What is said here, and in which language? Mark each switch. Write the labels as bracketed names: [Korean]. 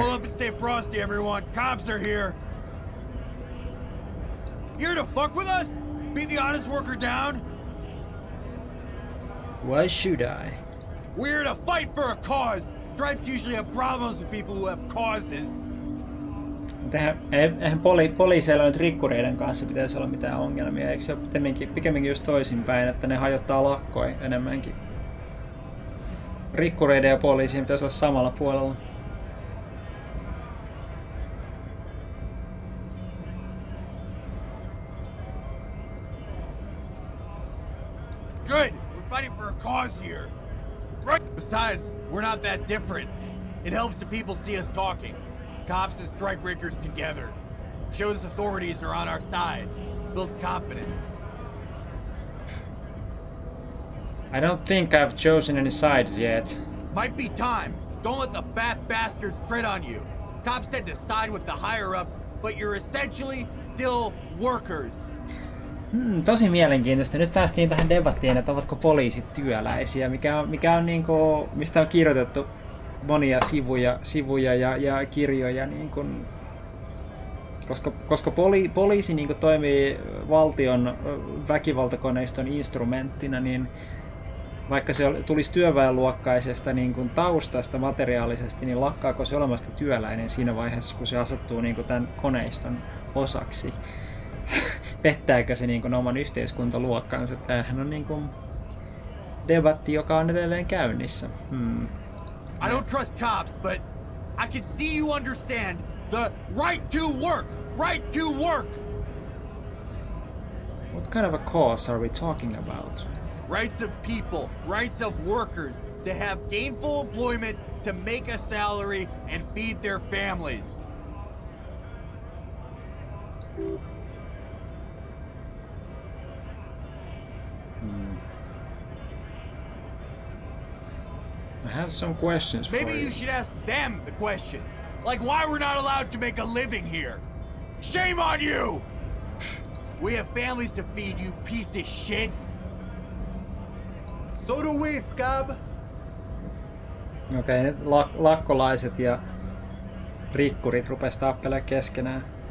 [English] Hold up and stay frosty, everyone. Cops are here. Here to fuck with us? Beat the honest worker down? Why should I? We're here to fight for a cause. Stripes usually have problems with people who have causes. [Finnish] Eihän poliiseilla nyt rikkureiden kanssa pitäisi olla mitään ongelmia. Eikö se ole pikemminkin just toisinpäin, että ne hajottaa lakkoja enemmänkin? Rikkureiden ja poliisiin pitäisi olla samalla puolella. [English] Good! We're fighting for a cause here! Right. Besides, we're not that different. It helps the people see us talking. Cops and strikebreakers together. Shows authorities are on our side. Builds confidence. I don't think I've chosen any sides yet. Might be time. Don't let the fat bastards tread on you. Cops tend to side with the higher-ups, but you're essentially still workers. [Finnish] Tosi mielenkiintoista. Nyt päästiin tähän debattiin, että ovatko poliisit työläisiä, mikä on niin kuin, mistä on kirjoitettu monia sivuja ja kirjoja. Niin kuin, koska poliisi niin kuin toimii valtion väkivaltakoneiston instrumenttina, niin vaikka se tulisi työväenluokkaisesta niin kuin taustasta materiaalisesti, niin lakkaako se olemasta työläinen siinä vaiheessa, kun se asettuu niin kuin tämän koneiston osaksi? Pettääkö se niin kuin oman yhteiskuntaluokkansa? Tämähän on niin kuin debatti, joka on edelleen käynnissä. [English] I don't trust cops, but I can see you understand the right to work! Right to work! What kind of a cause are we talking about? Rights of people, rights of workers, to have gainful employment, to make a salary, and feed their families. I have some questions for you. Maybe you should ask them the questions. Like why we're not allowed to make a living here. Shame on you! We have families to feed, you piece of shit. So do we, scab. [Finnish] Okei, nyt lakkolaiset ja rikkurit rupes tappelemaan keskenään.